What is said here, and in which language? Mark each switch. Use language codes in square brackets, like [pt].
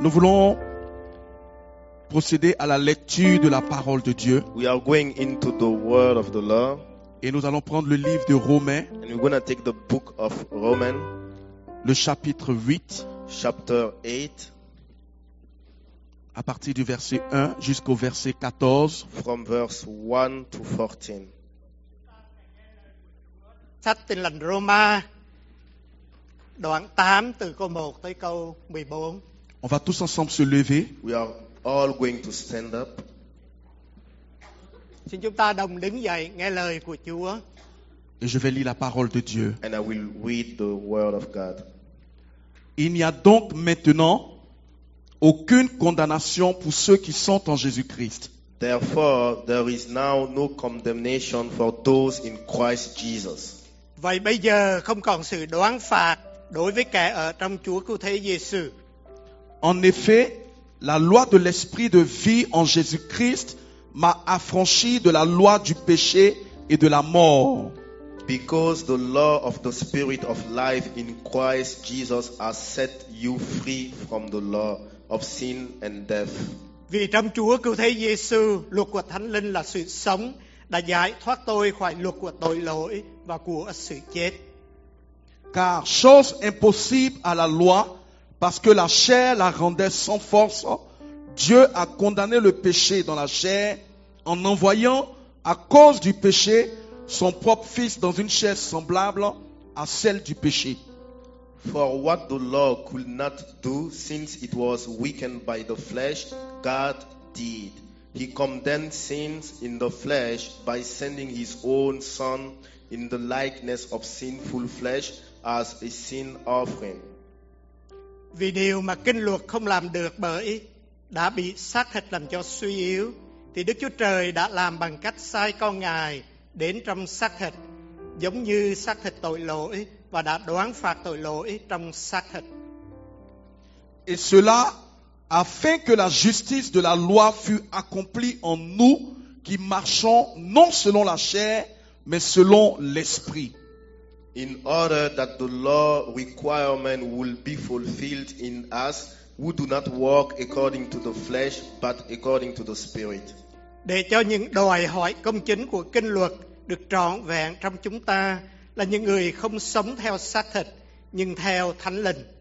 [fr] Nous voulons procéder à la lecture de la parole de Dieu. [en] We are going into the word of the Lord. [fr] Et nous allons prendre le livre de Romains. [en] And we're going to take the book of Romans. [fr] Le chapitre 8. [en] Chapter 8. [fr] À partir du verset 1 jusqu'au verset 14. [en] From verse 1 to 14. [vi] Sách Tin Lành Roma, đoạn 8 từ câu 1 tới câu 14. [fr] On va tous ensemble se lever. [en] We are all going to stand up. [vi] Xin chúng ta đồng đứng dậy nghe lời của Chúa. [fr] Et je vais lire la parole de Dieu. [en] And I will read the word of God. [fr] Il n'y a donc maintenant aucune condamnation pour ceux qui sont en Jésus-Christ. [en] Therefore, there is now no condemnation for those in Christ Jesus. [vi] Vậy bây giờ không còn sự đoán phạt đối với kẻ ở trong Chúa cứu thế Giêsu. [fr] En effet, la loi de l'esprit de vie en Jésus-Christ m'a affranchi de la loi du péché et de la mort. [en] Because the law of the spirit of life in Christ Jesus has set you free from the law of sin and death. [vi] Vì trong Chúa cứu thế Giêsu, luật của Thánh Linh là sự sống đã giải thoát tôi khỏi luật của tội lỗi và của sự chết. [fr] Car chose impossible à la loi, parce que la chair la rendait sans force, Dieu a condamné le péché dans la chair en envoyant à cause du péché son propre fils dans une chair semblable à celle du péché. [en] For what the law could not do, since it was weakened by the flesh, God did. He condemned sins in the flesh by sending his own son in the likeness of sinful flesh as a sin offering. [vi] Vì điều mà kinh luật không làm được bởi đã bị xác thịt làm cho suy yếu, thì Đức Chúa Trời đã làm bằng cách sai con Ngài đến trong xác thịt, giống như xác thịt tội lỗi, và đã đoán phạt tội lỗi trong xác thịt. [fr] Et cela afin que la justice de la loi fût accomplie en nous qui marchons non selon la chair, mais selon l'esprit. [en] In order that the law requirement will be fulfilled in us who do not walk according to the flesh but according to the spirit. [vi] Để cho những đòi hỏi công chính của kinh luật được trọn vẹn trong chúng ta là những người không sống theo xác thịt nhưng theo thánh linh.